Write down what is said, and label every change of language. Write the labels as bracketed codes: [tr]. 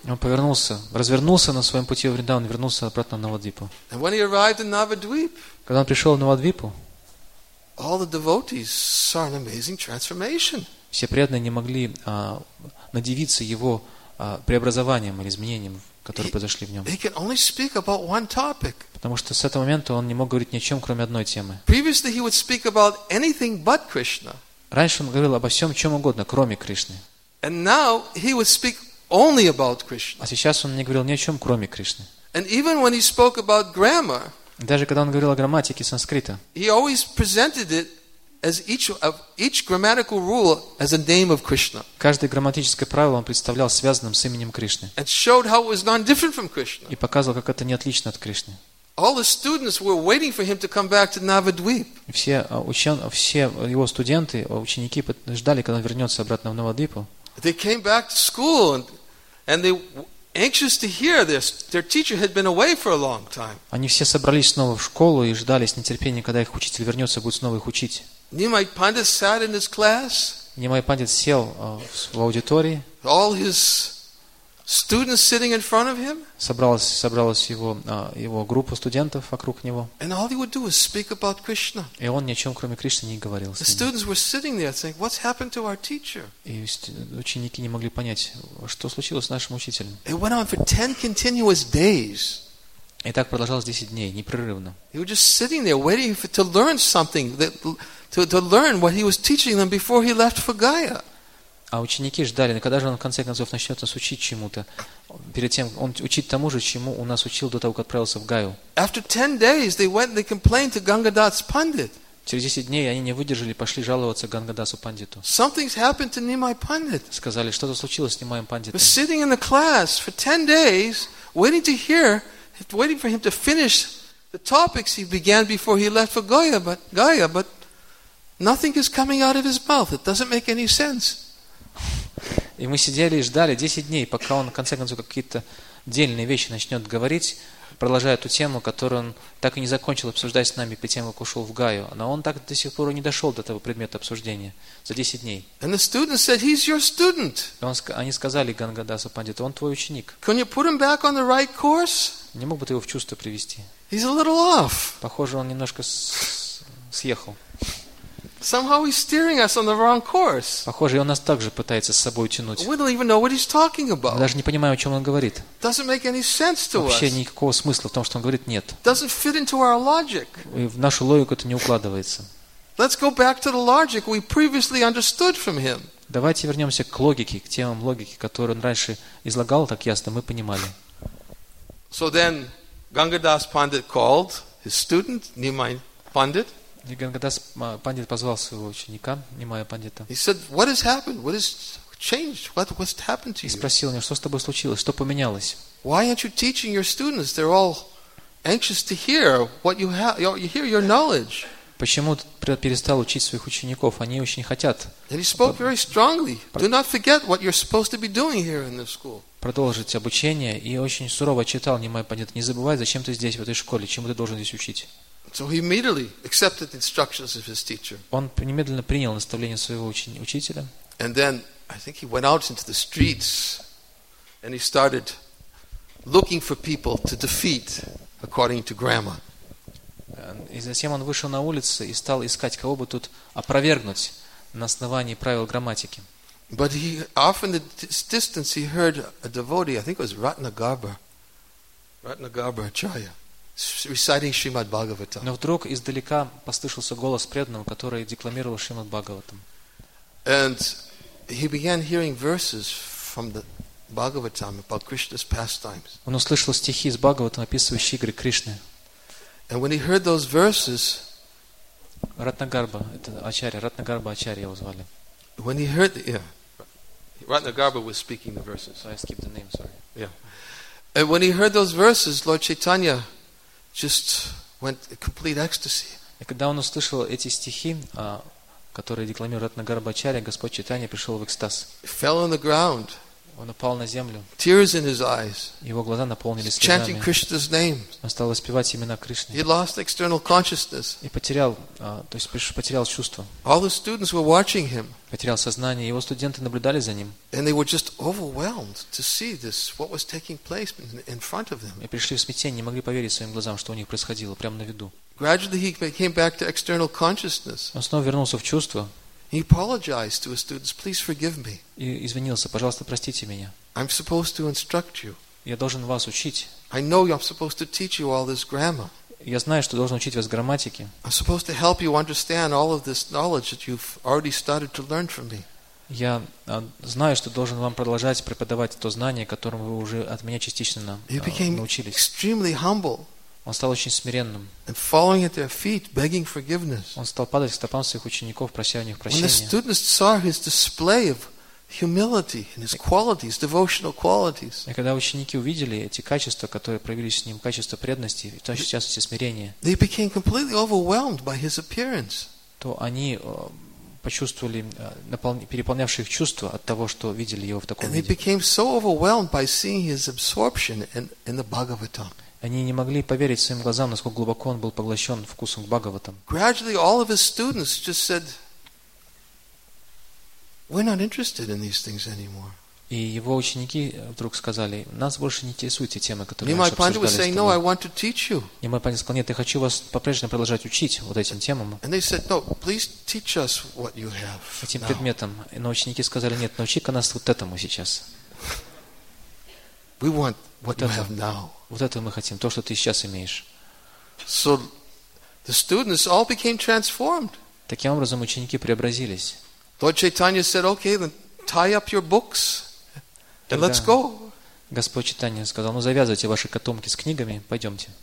[ru] Он повернулся, развернулся на своем пути в Вриндаван, вернулся обратно в Навадвип. [en] And when he arrived in Navadvip. [ru] Когда он пришел в Навадвипу, [en] all the devotees saw an amazing transformation. [ru] Все преданные не могли надивиться его преобразованием или изменением, которые произошли в нем. [en] They can only speak about one topic. [ru] Потому что с этого момента он не мог говорить ни о чем, кроме одной темы. [en] Previously he would speak about anything but Krishna. [ru] Раньше он говорил обо всем, чем угодно, кроме Кришны. [en] And now he would speak only about Krishna. [ru] А сейчас он не говорил ни о чем, кроме Кришны. [en] And even when he spoke about grammar, [ru] даже когда он говорил о грамматике санскрита, [en] he always presented it as each grammatical rule as a name of Krishna. [ru] Каждое грамматическое правило он представлял связанным с именем Кришны. [en] And showed how it was non-different from Krishna. [ru] И показывал, как это не отлично от Кришны. [en] All the students were waiting for him to come back to Navadvip. [ru] Все его студенты, ученики ждали, когда вернется обратно в Навадвипу. [en] They came back to school and they anxious to hear this. Their teacher had been away for a long time. [ru] Они все собрались снова в школу и ждали с нетерпением, когда их учитель вернется, будет снова их учить. [en] Nimai Pandit sat in his class. [ru] Nimai Pandit сел в аудитории. [en] All his students sitting in front of him. [ru] Собралась его группа студентов вокруг него. [en] And all he would do was speak about Krishna. [ru] И он ни о чем, кроме Кришны, не говорил. [en] The students were sitting there saying, "What's happened to our teacher?" [ru] И ученики не могли понять, что случилось с нашим учителем. [en] It went on for 10 continuous days. [ru] И так продолжалось 10 дней непрерывно. [en] He was just sitting there waiting to learn something that to learn what he was teaching them before he left for Gaya. [ru] А ученики ждали, когда же он в конце концов начнет нас учить чему-то, перед тем, он учить тому же, чему у нас учил до того, как отправился в Гаю. [en] After 10 days, they went and they complained to Gangadas Pandit. [ru] Через 10 дней они не выдержали, пошли жаловаться Гангадасу Пандиту. [en] Something's happened to Nimai Pandit. [ru] Сказали, что-то случилось с Нимаем Пандитом. [en] Was sitting in the class for 10 days, waiting to hear, waiting for him to finish the topics he began before he left for Gaya, but nothing is coming out of his mouth. It doesn't make any sense. [ru] И мы сидели и ждали 10 дней, пока он, в конце концов, какие-то дельные вещи начнет говорить, продолжая ту тему, которую он так и не закончил обсуждать с нами, перед тем, как ушел в Гаю. Но он так до сих пор и не дошел до того предмета обсуждения за 10 дней. [en] And the student said, he's your student. [ru] Они сказали Гангадасу Пандиту, он твой ученик. [en] Can you put him back on the right course? [ru] Не мог бы ты его в чувство привести? [en] He's a little off. [ru] Похоже, он немножко съехал. [en] Somehow he's steering us on the wrong course. [ru] Похоже, он нас также пытается с собой тянуть. [en] We don't even know what he's talking about. [ru] Даже не понимаем, о чем он говорит. [en] Doesn't make any sense to us. [ru] Вообще никакого смысла в том, что он говорит, нет. [en] Doesn't fit into our logic. [ru] И в нашу логику это не укладывается. [en] Let's go back to the logic we previously understood from him. [ru] Давайте вернемся к логике, к темам логики, которую он раньше излагал так ясно, мы понимали. [en] So then Gangadas Pandit called his student Nimai Pandit. [ru] И Гангадас Пандит позвал своего ученика, Нимая Пандита. [en] He said, "What has happened? What has changed? What's happened to you?" [ru] И спросил у него, что с тобой случилось, что поменялось? [en] Why aren't you teaching your students? They're all anxious to hear what you have, hear your knowledge. [ru] Почему ты перестал учить своих учеников? Они очень хотят. [en] And he spoke very strongly. Do not forget what you're supposed to be doing here in this school. [ru] Продолжить обучение и очень сурово отчитал Нимая Пандита. Не забывай, зачем ты здесь в этой школе, чему ты должен здесь учить. [en] So he immediately accepted the instructions of his teacher. [ru] Он немедленно принял наставление своего учителя. [en] And then I think he went out into the streets and he started looking for people to defeat according to grammar. [ru] И затем он вышел на улицу и стал искать, кого бы тут опровергнуть на основании правил грамматики. [en] But he often in the distance he heard a devotee, I think it was Ratnagarbha Acharya. Reciting Shrimad Bhagavatam. [ru] Но вдруг издалека послышался голос преданного, который декламировал Шримад Бхагаватам. [en] And he began hearing verses from the Bhagavatam about Krishna's pastimes. [ru] Он услышал стихи из Бхагаватам, описывающие игры Кришны. [en] And when he heard those verses, [ru] Ратнагарбха, это Ачарья, Ратнагарбха Ачарья его звали. [en] When he heard, Ратнагарбха was speaking the verses. So I skipped the name, sorry. Yeah. And when he heard those verses, Lord Chaitanya just went in complete ecstasy. [ru] И когда он услышал эти стихи, которые декламирует Ратнагарбха Ачарья, Господь Чайтанья пришел в экстаз. [en] He fell on the ground. [ru] Он упал на землю. [en] Tears in his eyes. [ru] Его глаза наполнились слезами. [en] Chanting Krishna's name. [ru] Он стал воспевать имена Кришны. [en] He lost external consciousness. [ru] И потерял, то есть потерял чувство. [en] All the students were watching him. [ru] Потерял сознание. Его студенты наблюдали за ним. [en] And they were just overwhelmed to see this, what was taking place in front of them. [ru] И пришли в смятение, не могли поверить своим глазам, что у них происходило прямо на виду. [en] Gradually he came back to external consciousness. [ru] Он снова вернулся в чувство. [en] He apologized to his students, please forgive me. [ru] И извинился, пожалуйста, простите меня. [en] I'm supposed to instruct you. [ru] Я должен вас учить. [en] I know I'm supposed to teach you all this grammar. [ru] Я знаю, что должен учить вас грамматике. [en] I'm supposed to help you understand all of this knowledge that you've already started to learn from me. [ru] Я знаю, что должен вам продолжать преподавать то знание, которому вы уже от меня частично научились. [en] He became extremely humble. [ru] Он стал очень смиренным. [en] And falling at their feet, begging forgiveness. [ru] Он стал падать к стопам своих учеников, прося у них прощения. [en] When the students saw his display of humility and his qualities, devotional qualities. [ru] И когда ученики увидели эти качества, которые проявились в нем, качества преданности, в том числе смирения, [en] they became completely overwhelmed by his appearance. [ru] То они почувствовали переполнявшие их чувства от того, что видели его в таком виде. [en] And they became so overwhelmed by seeing his absorption in the Bhagavatam. [ru] Они не могли поверить своим глазам, насколько глубоко он был поглощен вкусом к Бхагаватам. [en] Gradually, all of his students just said, "We're not interested in these things anymore." [ru] И его ученики вдруг сказали: "Нас больше не интересуют те темы, которые мы обсуждали с тобой." [en] Nimai Pandita said, "No, I want to teach you." [ru] Nimai Pandita сказал: "Нет, я хочу вас по-прежнему продолжать учить вот этим темам." [en] And they said, "No, please teach us what you have." [ru] Этим предметом. Но ученики сказали: "Нет, научи-ка нас вот этому сейчас." [en] We want what you have now. [ru] Вот это мы хотим, то, что ты сейчас имеешь. [en] So the students all became transformed. [ru] Таким образом ученики преобразились. [en] Lord Chaitanya said, "Okay, then tie up your books and let's go." [ru] Господь Чайтанья сказал: "Ну завязывайте ваши котомки с книгами, пойдемте."